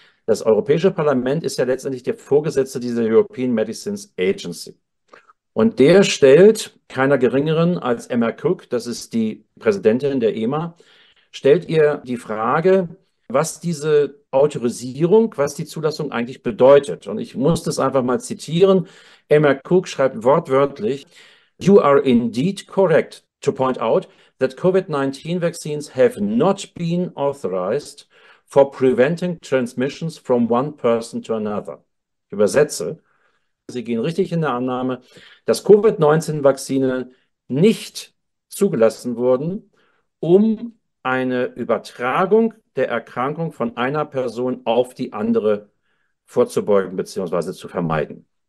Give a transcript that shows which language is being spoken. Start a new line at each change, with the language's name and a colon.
German: Das Europäische Parlament ist ja letztendlich der Vorgesetzte dieser European Medicines Agency. Und der stellt keiner Geringeren als Emma Cook, das ist die Präsidentin der EMA, stellt ihr die Frage, was diese Autorisierung, was die Zulassung eigentlich bedeutet. Und ich muss das einfach mal zitieren. Emma Cook schreibt wortwörtlich:
English: You are indeed correct to point out that COVID-19 vaccines have not been authorized for preventing transmissions from one person to another.
German: Ich übersetze. Sie gehen richtig in der Annahme, dass Covid-19-Vakzine nicht zugelassen wurden, um eine Übertragung der Erkrankung von einer Person auf die andere vorzubeugen bzw. zu vermeiden.